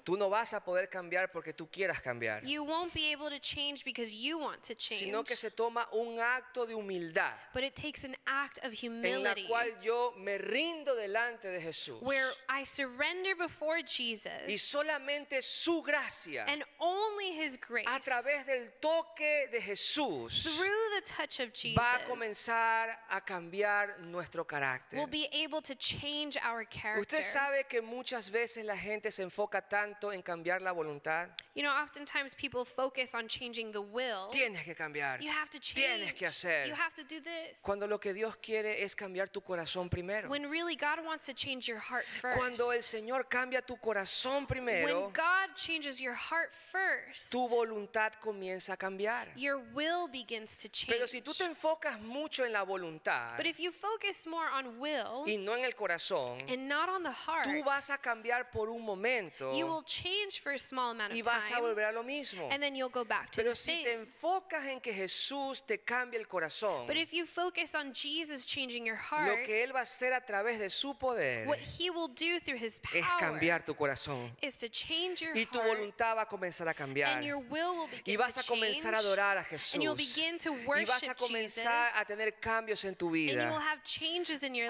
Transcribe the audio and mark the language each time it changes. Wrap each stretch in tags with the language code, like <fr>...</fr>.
<es>Tú no vas a poder cambiar porque tú quieras cambiar.</es> <en>You won't be able to change because you want to change.</en> <es>Sino que se toma un acto de humildad.</es> <en>But it takes an act of humility,</en> <es>en la cual yo me rindo delante de Jesús,</es> <en>where I surrender before Jesus,</en> <es>y solamente su gracia,</es> <en>and only his grace,</en> <es>a través del toque de Jesús,</es> <en>through the touch of Jesus,</en> <es>va a comenzar a cambiar nuestro carácter,</es> <en>will be able to change our character.</en> <es>Usted sabe que muchas veces la gente se enfoca tanto en cambiar la voluntad.</es> <en>You know, oftentimes people focus on changing the will.</en> <es>Tienes que cambiar.</es> <en>You have to change.</en> <es>Tienes que hacer.</es> <en>You have to do this.</en> <es>Cuando lo que Dios quiere es cambiar tu corazón primero.</es> <en>When really God wants to change your heart first.</en> <es>Cuando el Señor cambia tu corazón primero.</es> <en>When God changes your heart first.</en> <es>Tu voluntad comienza a cambiar.</es> <en>Your will begins to change.</en> <es>Pero si tú te enfocas mucho en la voluntad,</es> <en>but if you focus more on will,</en> <es>y no en el corazón,</es> <en>and not on the heart,</en> <es>tú vas a cambiar por un momento,</es> <en>you will change for a small amount of time.</en> <es>Vas a volver a lo mismo.</es> <en>And then you'll go back to</en> <es>pero</es> <en>the</en> <es>si</es> <en>same.</en> <es>Pero si te enfocas en que Jesús te cambie el corazón,</es> <en>but if you focus on Jesus changing your heart,</en> <es>lo que él va a hacer a través de su poder,</es> <en>what he will do through his power,</en> <es>es cambiar tu corazón,</es> <en>is to change your</en> <es>y tu voluntad va a comenzar a cambiar,</es> <en>and your will begin</en> <es>y vas a comenzar</es> <en>change,</en> <es>a adorar a Jesús,</es> <en>and you'll begin to worship</en> <es>y vas a comenzar</es> <en>Jesus,</en> <es>a tener cambios en tu vida,</es> <en>and you will have changes in your</en>